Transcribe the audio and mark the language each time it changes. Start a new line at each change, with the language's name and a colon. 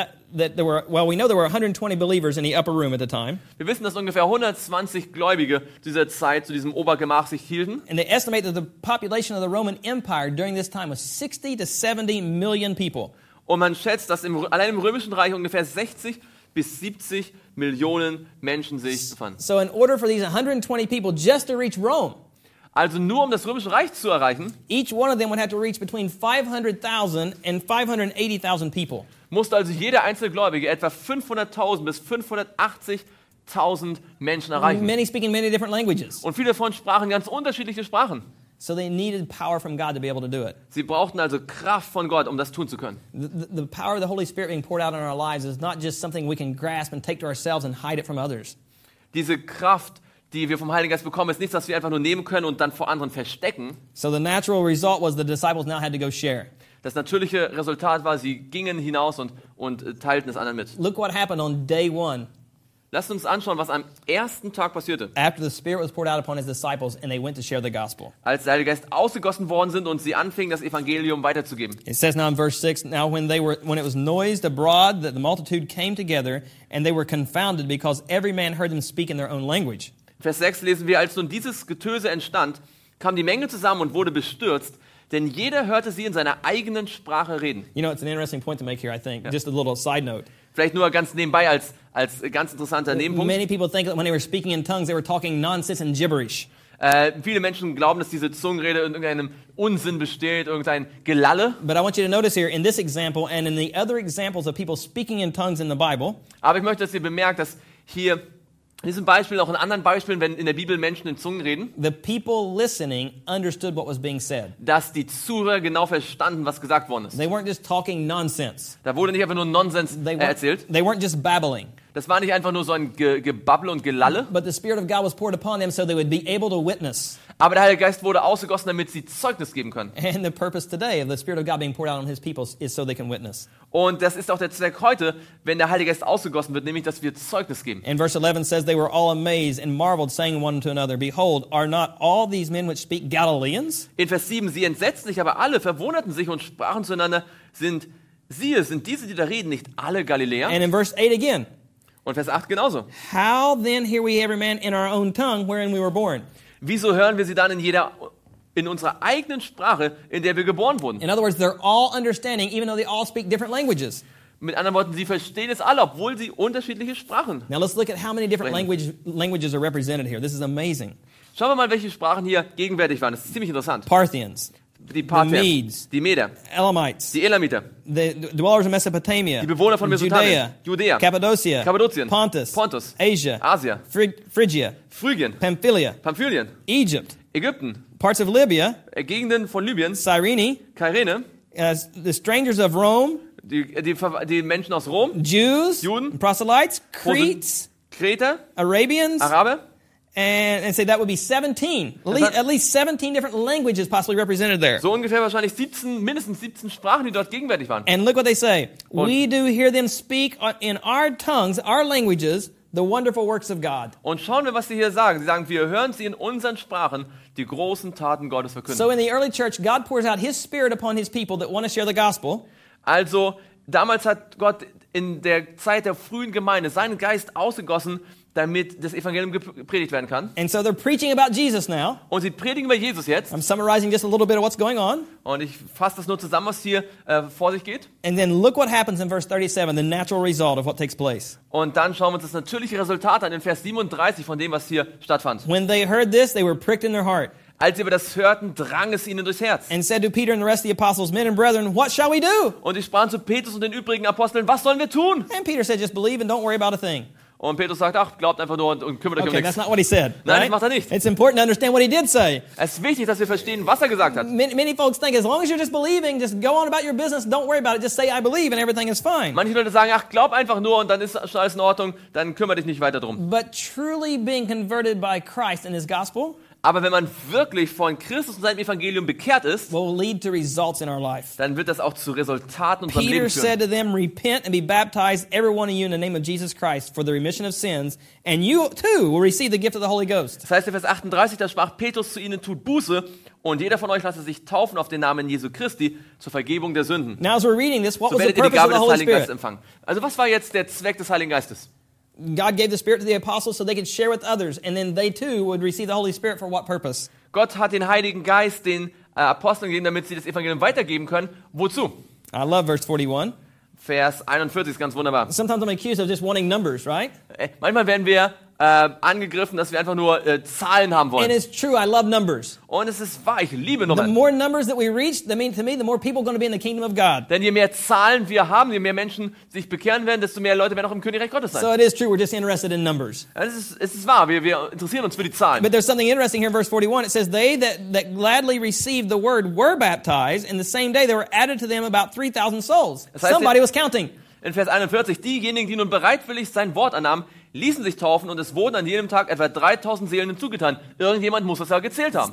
English: It's estimated that there were 120 believers in the upper room at the time.
German: Wir wissen, dass ungefähr 120 Gläubige zu dieser Zeit zu diesem Obergemach sich hielten.
English: And they estimate that the population of the Roman Empire during this time was 60 to 70 million people.
German: Und man schätzt, dass allein im Römischen Reich ungefähr 60 bis 70 Millionen Menschen sich befanden.
English: So in order for these 120 people just to reach Rome.
German: Also nur um das Römische Reich zu erreichen.
English: Each one of them would have to reach between 500,000 and 580,000 people.
German: Musste also jeder einzelne Gläubige etwa 500.000 bis 580.000 Menschen erreichen.
English: Many speaking many different languages.
German: Und viele davon sprachen ganz unterschiedliche Sprachen.
English: So they needed power from God to be able to do it.
German: Sie brauchten also Kraft von Gott, um das tun zu können.
English: The power of the Holy Spirit being poured out in our lives is not just something we can grasp and take to ourselves and hide it from others.
German: Diese Kraft, die wir vom Heiligen Geist bekommen, ist nichts, was wir einfach nur nehmen können und dann vor anderen verstecken.
English: So the natural result was the disciples now had to go share.
German: Das natürliche Resultat war, sie gingen hinaus und teilten es anderen mit.
English: Look what happened on day one.
German: Lasst uns anschauen, was am ersten Tag passierte.
English: After the Spirit was poured out upon his disciples and they went to share the gospel.
German: Als der Heilige Geist ausgegossen worden sind und sie anfingen, das Evangelium weiterzugeben.
English: It says now in verse 6, now when it was noised abroad that the multitude came together and they were confounded because every man heard them speak in their own language.
German: Vers 6 lesen wir, als nun dieses Getöse entstand, kam die Menge zusammen und wurde bestürzt, denn jeder hörte sie in seiner eigenen Sprache reden.
English: You know, it's an interesting point to make here, I think.
German: Ja.
English: Just a little side note.
German: Vielleicht nur ganz nebenbei als ganz interessanter Nebenpunkt.
English: Many people think that when they were speaking in tongues, they were talking nonsense and gibberish.
German: Viele Menschen glauben, dass diese Zungenrede in irgendeinem Unsinn besteht, irgendein Gelalle.
English: But I want you to notice here in this example and in the other examples of people speaking in tongues in the Bible.
German: Aber ich möchte, dass ihr bemerkt, dass hier in diesem Beispiel, auch in anderen Beispielen, wenn in der Bibel Menschen in Zungen reden,
English: the people listening understood what was being said.
German: Dass die Zuhörer genau verstanden, was gesagt worden ist.
English: They weren't just talking nonsense.
German: Da wurde nicht einfach nur Nonsens erzählt.
English: They weren't just babbling.
German: Das war nicht einfach nur so ein Gebabbel und Gelalle.
English: But the Spirit of God was poured upon them so they would be able to witness.
German: Aber der Heilige Geist wurde ausgegossen, damit sie Zeugnis geben können.
English: And the purpose today of the Spirit of God being poured out on his people is so they can witness.
German: Und das ist auch der Zweck heute, wenn der Heilige Geist ausgegossen wird, nämlich, dass wir Zeugnis geben.
English: And verse 11 says, they were all amazed and marveled, saying one to another, behold, are not all these men which speak Galileans?
German: In Vers 7, sie entsetzten sich aber alle, verwunderten sich und sprachen zueinander, sind diese, die da reden, nicht alle Galiläer?
English: And in verse 8 again.
German: Und Vers 8 genauso.
English: How then hear we every man in our own tongue wherein we were born?
German: Wieso hören wir sie dann in unserer eigenen Sprache, in der wir geboren wurden?
English: In other words, they're all understanding, even though they all speak different languages.
German: Mit anderen Worten, sie verstehen es alle, obwohl sie unterschiedliche Sprachen sprechen.
English: Now let's look at how many different languages are represented here. This is amazing.
German: Schauen wir mal, welche Sprachen hier gegenwärtig waren. Das ist ziemlich interessant.
English: Parthians.
German: Die Parther,
English: the Medes,
German: die Meder,
English: Elamites,
German: die Elamiter,
English: the dwellers of Mesopotamia,
German: die Bewohner von
English: Judea,
German: Judea,
English: Cappadocia,
German: Kappadokien,
English: Pontus, Asia,
German: Asia,
English: Phrygia,
German: Phrygien,
English: Pamphylia,
German: Pamphylien,
English: Egypt,
German: Ägypten,
English: parts of Libya,
German: Gegenden von Libyen,
English: Cyrene,
German: Kyrene,
English: the strangers of Rome,
German: die Menschen aus Rom,
English: Jews,
German: Juden,
English: proselytes, Cretes,
German: Kreter,
English: Arabians,
German: Araber.
English: And say that would be 17, at least 17 different languages possibly represented there.
German: So ungefähr wahrscheinlich mindestens 17 Sprachen, die dort gegenwärtig waren.
English: And look what they say.
German: Und
English: we do hear them speak in our tongues, our languages, the wonderful works of God.
German: Und schauen wir, was sie hier sagen. Sie sagen, wir hören sie in unseren Sprachen die großen Taten Gottes verkünden.
English: So in the early church, God pours out his spirit upon his people that want to share the gospel.
German: Also damals hat Gott in der Zeit der frühen Gemeinde seinen Geist ausgegossen, damit das Evangelium gepredigt werden kann.
English: And so they're preaching about Jesus now.
German: Und sie predigen über Jesus jetzt.
English: I'm summarizing just a little bit of what's going on.
German: Und ich fasse das nur zusammen, was hier vor sich geht.
English: And then look what happens in verse 37, the natural result of what takes place.
German: Und dann schauen wir uns das natürliche Resultat an in Vers 37 von dem, was hier stattfand.
English: When they heard this, they were pricked in their heart.
German: Als sie aber das hörten, drang es ihnen durchs Herz.
English: And said to Peter and the rest of the apostles, men and brethren, what shall we do?
German: Und sie sprachen zu Petrus und den übrigen Aposteln, was sollen wir tun?
English: And Peter said, just believe and don't worry about a thing.
German: Und Petrus sagt, ach, glaubt einfach nur und kümmert euch
English: okay,
German: um nichts.
English: That's not what he said,
German: Nein,
English: right?
German: Das macht er nicht.
English: It's important to understand what he did say.
German: Es ist wichtig, dass wir verstehen, was er gesagt hat.
English: Many folks think, as long as you're just believing, just go on about your business, don't worry about it, just say I believe and everything is fine.
German: Manche Leute sagen, ach, glaub einfach nur und dann ist schon alles in Ordnung, dann kümmere dich nicht weiter drum.
English: But truly being converted by Christ and his gospel,
German: aber wenn man wirklich von Christus und seinem Evangelium bekehrt ist,
English: will lead to results in our life.
German: Dann wird das auch zu Resultaten in unserem Leben führen.
English: Peter said to them, repent and be baptized every one of you in the name of Jesus Christ for the remission of sins, and you too will receive the gift of the Holy Ghost.
German: Das heißt in Vers 38, da sprach Petrus zu ihnen, tut Buße und jeder von euch lasse sich taufen auf den Namen Jesu Christi zur Vergebung der Sünden.
English: Now as we're reading this, what so was the purpose of the Holy Spirit?
German: Also was war jetzt der Zweck des Heiligen Geistes?
English: God gave the Spirit to the apostles so they could share with others, and then they too would receive the Holy Spirit for what purpose?
German: Gott hat den Heiligen Geist den Aposteln gegeben, damit sie das Evangelium weitergeben können. Wozu?
English: I love verse 41.
German: Vers 41 ist ganz wunderbar.
English: Sometimes I'm accused of just wanting numbers, right?
German: Manchmal werden wir angegriffen, dass wir einfach nur Zahlen haben wollen.
English: And it's true, I love numbers.
German: Und es ist wahr, ich liebe Nummern.
English: The more numbers that we reach, that means to me, the more people are going to be in the kingdom of God.
German: Denn je mehr Zahlen wir haben, je mehr Menschen sich bekehren werden, desto mehr Leute werden auch im Königreich Gottes sein.
English: So it is true, we're just interested in numbers.
German: Es ist wahr, wir interessieren uns für die Zahlen.
English: But there's something interesting here in verse 41. It says, they that gladly received the word were baptized, and the same day there were added to them about 3,000 souls.
German: Das heißt,
English: somebody was counting.
German: In Vers 41, diejenigen, die nun bereitwillig sein Wort annahmen, ließen sich taufen und es wurden an jedem Tag etwa 3000 Seelen hinzugetan. Irgendjemand muss das ja gezählt haben.